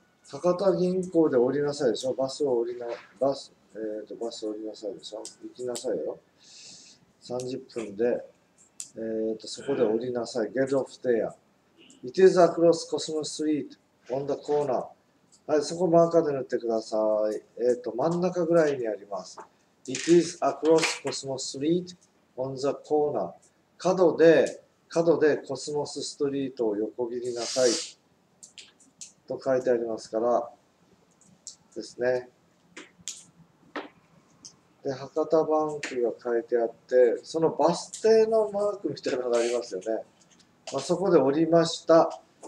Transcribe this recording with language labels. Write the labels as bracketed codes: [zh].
[ja] 博多銀行で降りなさいでしょ。バス降りなさいでしょ。行きなさいよ。 30分で、そこで降りなさい。 [en] Get off there. It is across Cosmo Street on the corner. [ja] はい、そこマーカーで塗ってください。真ん中ぐらいにあります。 [en] It is across Cosmo Street on the corner. [ja] 角でコスモスストリートを横切りなさい。と書いてありますからですね。で、博多バンクが書いてあって、そのバス停のマークみたいなのがありますよね、まあ、そこで降りました。